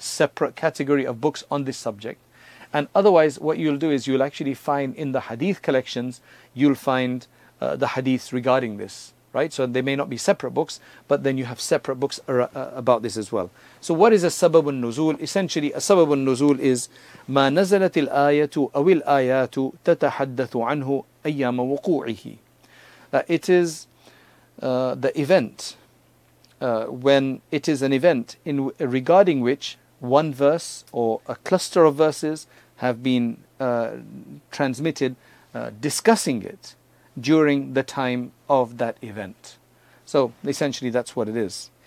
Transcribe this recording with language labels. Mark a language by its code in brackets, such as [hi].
[en] Separate category of books on this subject. And otherwise, what you'll do is you'll actually find in the hadith collections, you'll find the hadiths regarding this, right? So they may not be separate books, but then you have separate books about this as well. So what is a Sababun Nuzul? Essentially, a Sababun Nuzul is [ar] مَا نَزَلَتِ الْآيَةُ أَوِ الْآيَاتُ تَتَحَدَّثُ عَنْهُ أَيَّامَ وُقُوعِهِ. [en] That it is the event, when it is an event in regarding which one verse or a cluster of verses have been transmitted, discussing it during the time of that event. So essentially that's what it is.